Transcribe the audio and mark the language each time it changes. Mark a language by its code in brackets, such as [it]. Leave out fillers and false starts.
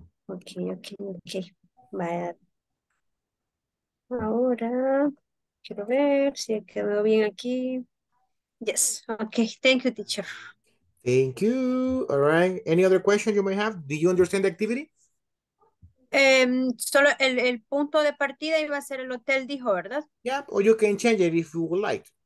[es] Okay. Vaya. Ahora, quiero ver si quedó bien aquí. [en] Yes. Okay. Thank you, teacher. Thank you. All right. Any other questions you may have? Do you understand the activity? [es] Solo el punto de partida iba a ser el hotel, dijo, ¿verdad? [en] Yeah, or you can change it if you would like.